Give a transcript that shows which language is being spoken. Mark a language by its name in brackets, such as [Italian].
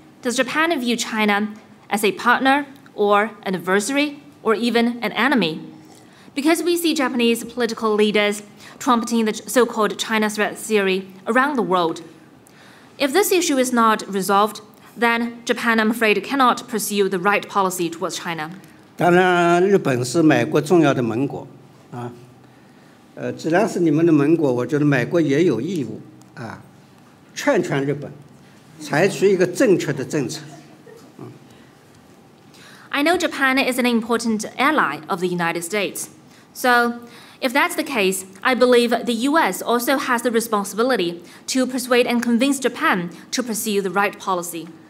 [English] Does Japan view China as a partner or an adversary or even an enemy? Because we see Japanese political leaders trumpeting the so-called China threat theory around the world. If this issue is not resolved, then Japan, I'm afraid, cannot pursue the right policy towards China. [Chinese] 当然，日本是美国重要的盟国。只要是你们的盟国，我觉得美国也有义务啊，劝劝日本，采取一个正确的政策。 [English] I know Japan is an important ally of the United States. So, if that's the case, I believe the U.S. also has the responsibility to persuade and convince Japan to pursue the right policy.